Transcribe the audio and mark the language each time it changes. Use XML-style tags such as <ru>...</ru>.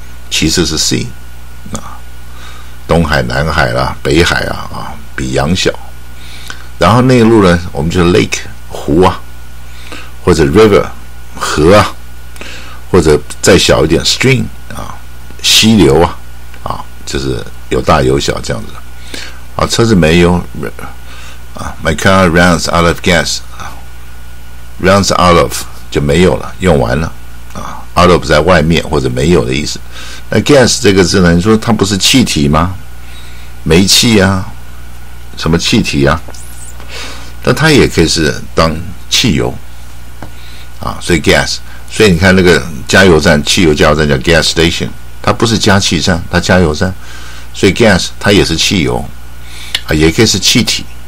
<zh>其实是 sea 东海南海啦、北海啊，比洋小。然后内陆呢，我们就是 lake 湖啊，或者 river 河啊，或者再小一点 stream 啊，溪流啊，就是有大有小这样子。车子没油啊 ，</zh> <en>my car runs out of gas，</en> <zh>runs out of 就没有了，用完了。 out of 在外面或者没有的意思，那 gas 这个字呢，你说它不是气体吗？煤气啊，什么气体啊，那它也可以是当汽油啊，所以 gas， 所以你看那个加油站，汽油加油站叫 gas station， 它不是加气站，它加油站，所以 gas 它也是汽油啊，也可以是气体</zh>